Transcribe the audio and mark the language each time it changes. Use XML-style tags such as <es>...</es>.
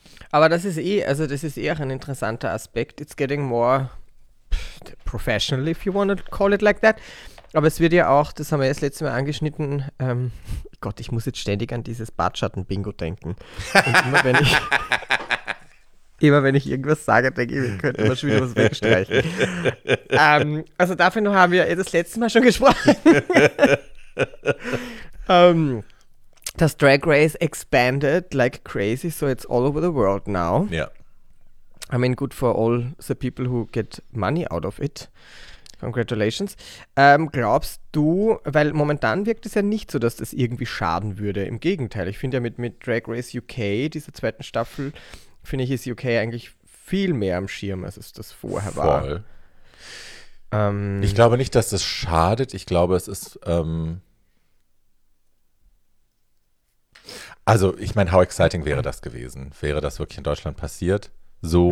<de>Aber das ist eh auch ein interessanter Aspekt.</de> <en>It's getting more professional, if you want to call it like that.</en> <de>Aber es wird ja auch, das haben wir jetzt letztes Mal angeschnitten, Gott, ich muss jetzt ständig an dieses Bartschatten-Bingo denken. Und immer wenn ich irgendwas sage, denke ich, wir könnten mal schon wieder was wegstreichen. Also dafür haben wir das letzte Mal schon gesprochen. Das</de> <en>Drag Race expanded like crazy, so it's all over the world now.</en> <de>Ja.</de> <en>Yeah. I mean, good for all the people who get money out of it. Congratulations.</en> <de>Glaubst du, weil momentan wirkt es ja nicht so, dass das irgendwie schaden würde. Im Gegenteil, ich finde ja mit Drag Race UK, dieser zweiten Staffel, finde ich, ist UK eigentlich viel mehr am Schirm, als es das vorher war. Voll. Ich glaube nicht, dass das schadet. Ich glaube, es ist also, ich meine,</de> <en>how exciting</en> <de>wäre das gewesen? Wäre das wirklich in Deutschland passiert? So.</de>